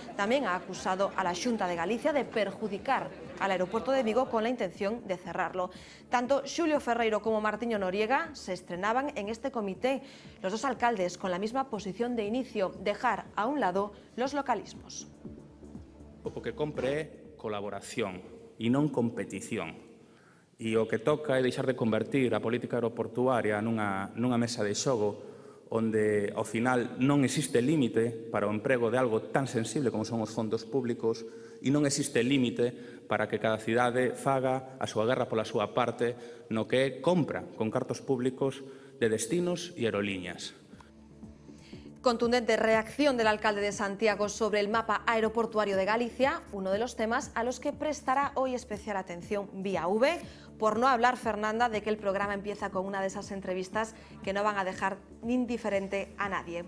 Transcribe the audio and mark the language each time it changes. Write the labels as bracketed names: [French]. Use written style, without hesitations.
[Spanish] También ha acusado a la Xunta de Galicia de perjudicar al aeropuerto de Vigo con la intención de cerrarlo. Tanto Xulio Ferreiro como Martiño Noriega se estrenaban en este comité, los dos alcaldes con la misma posición de inicio, dejar a un lado los localismos. O porque compre colaboración y no competición. [Galician] E o que toca é deixar de convertir a política aeroportuaria nunha mesa de xogo onde, ao final, non existe límite para o emprego de algo tan sensible como son os fondos públicos e non existe límite para que cada cidade faga a súa guerra pola súa parte no que é compra con cartos públicos de destinos e aerolíneas. [Spanish] Contundente reacción del alcalde de Santiago sobre el mapa aeroportuario de Galicia, uno de los temas a los que prestará hoy especial atención Vía V, por no hablar, Fernanda, de que el programa empieza con una de esas entrevistas que no van a dejar indiferente a nadie.